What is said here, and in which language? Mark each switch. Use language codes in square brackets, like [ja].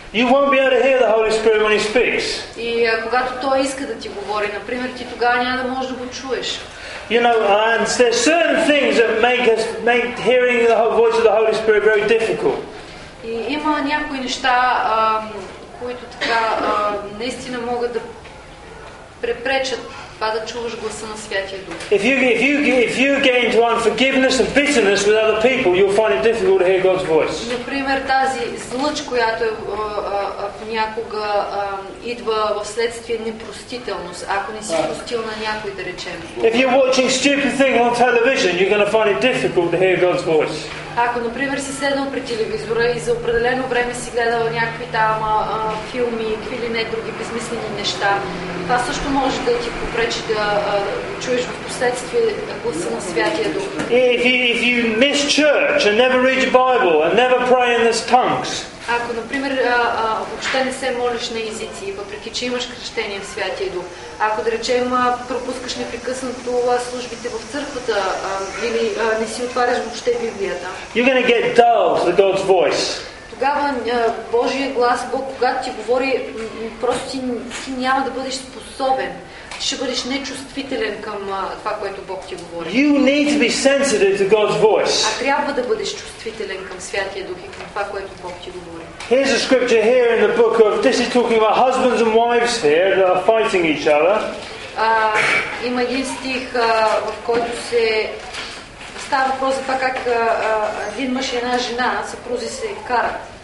[en] You won't be able to hear the Holy Spirit when he speaks. [bg] И когато той иска да ти говори, например, ти тогава няма да можеш да го чуеш. [en] You know, and there's certain things that make hearing the voice of the Holy Spirit very difficult. [bg] И има някои неща, които така наистина могат да препречат това да чуваш гласа на Святия Дух. [en] If you get into unforgiveness and bitterness with other people, you'll find it difficult to hear God's voice. [bg] Например, тази злъч, която някога идва вследствие непростителност, ако не си простил на някой, да речем. [en] If you're watching stupid things on television, you're going to find it difficult to hear God's voice. [bg] Ако, например, си седнал пред телевизора и за определено време си гледал някакви там филми, какви ли не други безмислени неща, това също може да ти попречи да чуеш в последствие гласа на Святия Дух. [en] If you miss church and never read your Bible and never pray in those tongues, [bg] ако, например, въобще не се молиш на езици, въпреки че имаш кръщение в Святия Дух, ако, да речем, пропускаш непрекъснато службите в църквата или не си отваряш въобще Библията, [en] you're gonna get dull to God's voice. [bg] Тогава Божия глас, Бог, когато ти говори, просто ти няма да бъдеш способен. Ще бъдеш нечувствителен към това, което Бог ти говори. [en] You need to be sensitive to God's voice. [bg] А трябва да бъдеш чувствителен към Святия Дух и към това, което Бог ти говори. [en] Here's a scripture here in the book of, this is talking about husbands and wives here that are fighting each other. [bg] Има един стих, в който се става въпрос за това как един мъж и една жена, съпрузи се карат.